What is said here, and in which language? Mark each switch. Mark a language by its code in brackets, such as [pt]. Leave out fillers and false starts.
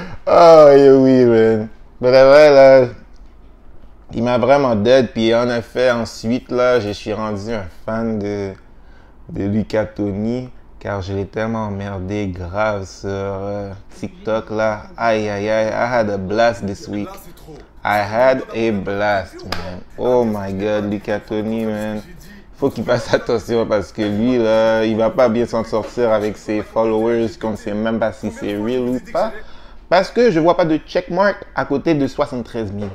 [fr] Oh, oui, man. Vraiment, là, il m'a vraiment dead. Puis, en effet, ensuite, là, je suis rendu un fan de Luca Toni, car je l'ai tellement emmerdé grave sur TikTok, là. [en] Aïe, aïe, aïe, I had a blast this week. I had a blast, man. Oh, my God, Luca Toni, man. [fr] Faut qu'il fasse attention, parce que lui, là, il va pas bien s'en sortir avec ses followers, qu'on sait même pas si c'est real ou pas. Parce que je vois pas de checkmark à côté de 73 000.